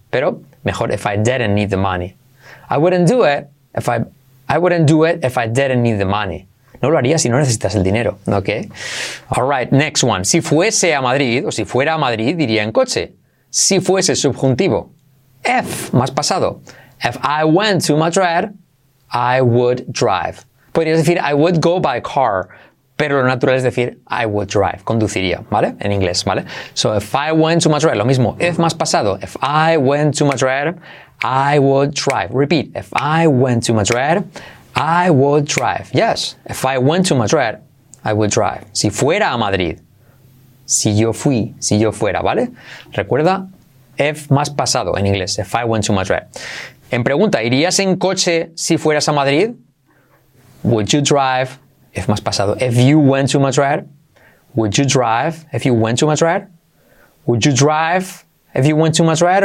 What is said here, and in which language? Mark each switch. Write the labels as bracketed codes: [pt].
[es] Pero mejor [en] if I didn't need the money. I wouldn't do it if I wouldn't do it if I didn't need the money. [es] No lo haría si no necesitas el dinero, ¿ok? [en] Alright, next one. [es] Si fuese a Madrid, o si fuera a Madrid, diría en coche. Si fuese subjuntivo. If, más pasado. [en] If I went to Madrid, I would drive. [es] Podrías decir, [en] I would go by car. [es] Pero lo natural es decir, [en] I would drive. [es] Conduciría, ¿vale? En inglés, ¿vale? [en] So, if I went to Madrid, [es] lo mismo. If más pasado. [en] If I went to Madrid, I would drive. Repeat. If I went to Madrid, I would drive. Yes. If I went to Madrid, I would drive. [es] Si fuera a Madrid. Si yo fuera, ¿vale? Recuerda, if más pasado en inglés. If I went to Madrid. En pregunta, ¿irías en coche si fueras a Madrid? [en] Would you drive, if [es] más pasado, [en] if you went to Madrid? Would you drive if you went to Madrid? Would you drive if you went to Madrid?